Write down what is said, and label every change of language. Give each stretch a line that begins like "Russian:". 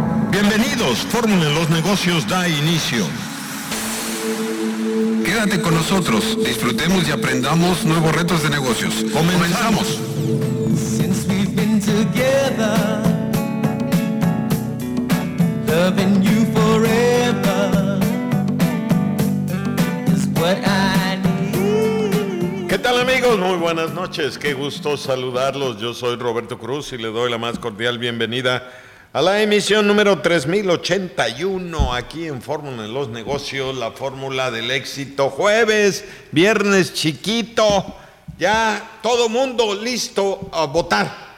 Spanish: Bienvenidos, Fórmula en los Negocios da inicio. Quédate con nosotros, disfrutemos y aprendamos nuevos retos de negocios. ¡Comenzamos!
English: Since we've been together, loving you forever is what I need.
Spanish: ¿Qué tal, amigos? Muy buenas noches, qué gusto saludarlos. Yo soy Roberto Cruz y le doy la más cordial bienvenida a la emisión número 3081, aquí en Fórmula en los Negocios, la fórmula del éxito. Jueves, viernes chiquito, ya todo mundo listo a votar.